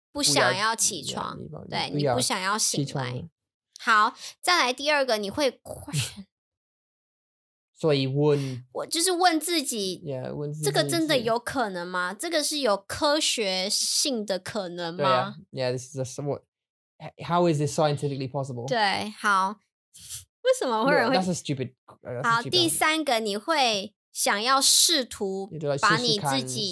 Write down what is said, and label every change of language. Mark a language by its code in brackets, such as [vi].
[zh] 不想要起床，对，你不想要醒来。好，再来第二个，你会 question，所以问，我就是问自己， yeah, 问自己，这个真的有可能吗？这个是有科学性的可能吗？对啊， [en] yeah, this is a somewhat, how is this scientifically possible? [zh] 对，好，为什么会人会 [en] yeah, that's a stupid, that's [zh] 好 [en] a stupid [zh] 好 [en] answer. [zh] 第三个，你会想要试图把你自己